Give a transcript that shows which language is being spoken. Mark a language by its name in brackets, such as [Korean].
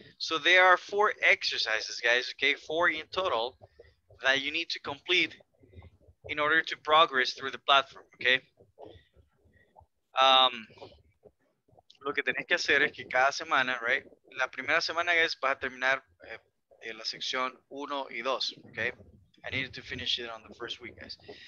[English] So there are four exercises, guys, okay? Four in total that you need to complete in order to progress through the platform, okay? [Spanish] Lo que tenés que hacer es que cada semana, right? La primera semana, guys, vas a terminar en la sección 1 y 2, okay? [English] I needed to finish it on the first week, guys.